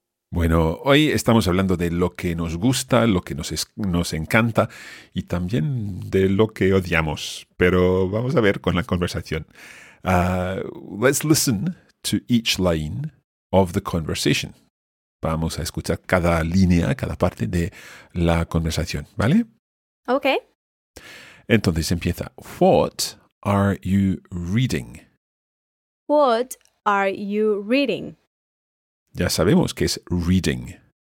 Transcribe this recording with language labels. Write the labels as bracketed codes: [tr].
[es] Bueno, hoy estamos hablando de lo que nos gusta, lo que nos encanta y también de lo que odiamos. Pero vamos a ver con la conversación. [en] Let's listen to each line of the conversation. [es] Vamos a escuchar cada línea, cada parte de la conversación, ¿vale? [en] Okay. [es] Entonces empieza. [en] What are you reading? What are you reading? [es] Ya sabemos que es reading.